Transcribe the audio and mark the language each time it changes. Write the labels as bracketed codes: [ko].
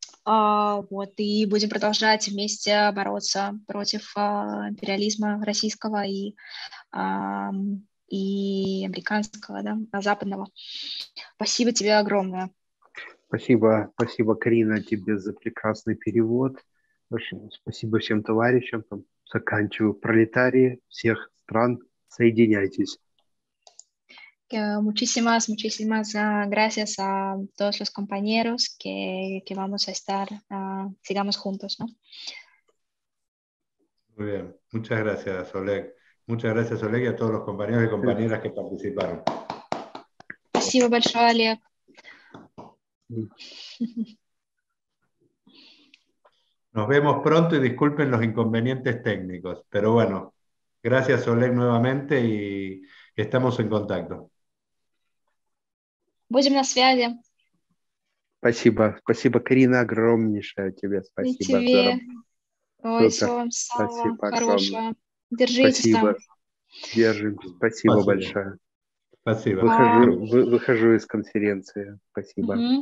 [ru] И будем продолжать вместе бороться против империализма российского и американского, западного. Спасибо тебе огромное. Спасибо, Карина, тебе за прекрасный перевод. Спасибо всем товарищам. Заканчиваю. Пролетарии всех стран, соединяйтесь. [es] Muchísimas gracias a todos los compañeros que vamos a estar, sigamos juntos, ¿no? Muy bien. Muchas gracias, Oleg. Muchas gracias, Oleg, y a todos los compañeros y compañeras que participaron. [ru] Спасибо большое, Олег. [es] Nos vemos pronto y disculpen los inconvenientes técnicos, pero bueno, gracias, Oleg, nuevamente y estamos en contacto. [ru] Будем на связи. Спасибо, Карина, огромнейшее тебе спасибо. И тебе. Ой, всего вам самого хорошего. Держитесь там. Держимся. Спасибо большое. Спасибо. Выхожу из конференции. Спасибо.